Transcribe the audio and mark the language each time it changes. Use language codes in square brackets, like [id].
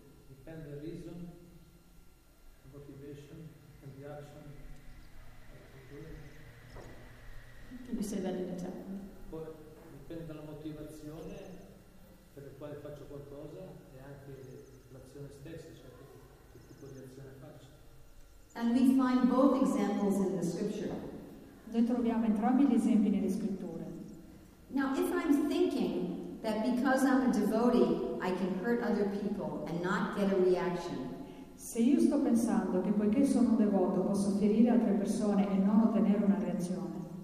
[en] Depends the reason, the motivation, and the action. Can you say that in Italian? [it] Poi dipende dalla motivazione per la quale faccio qualcosa e anche l'azione stessa, cioè che tipo di azione faccio. [en] And we find both examples in the scripture. [it] Noi troviamo entrambi gli esempi nelle scritture. [en] Now, if I'm thinking that because I'm a devotee, I can hurt other people and not get a reaction. [it] Se io sto pensando che poiché sono un devoto posso ferire altre persone e non ottenere una reazione.